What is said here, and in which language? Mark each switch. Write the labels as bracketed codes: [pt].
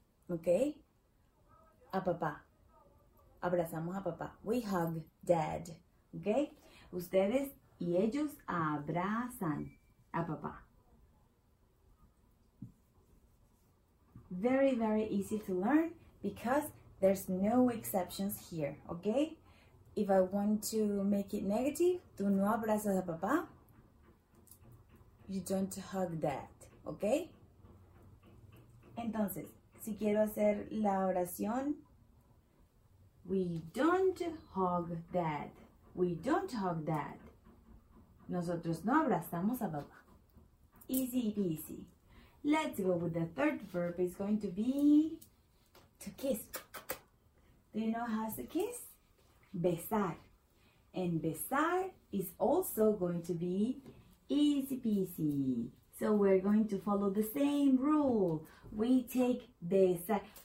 [es] Okay? A papá. Abrazamos a papá. [en] We hug dad. Okay? [es] Ustedes y ellos abrazan a papá. [en] Very, very easy to learn because there's no exceptions here. Okay? If I want to make it negative, [es] tú no abrazas a papá. [en] You don't hug dad. Okay? [es] Entonces, si quiero hacer la oración, [en] we don't hug dad. We don't hug dad. [es] Nosotros no abrazamos a papá. [en] Easy peasy. Let's go with the third verb. It's going to be to kiss. Do you know how to kiss? Besar. And besar is also going to be easy peasy. So we're going to follow the same rule. We take besar.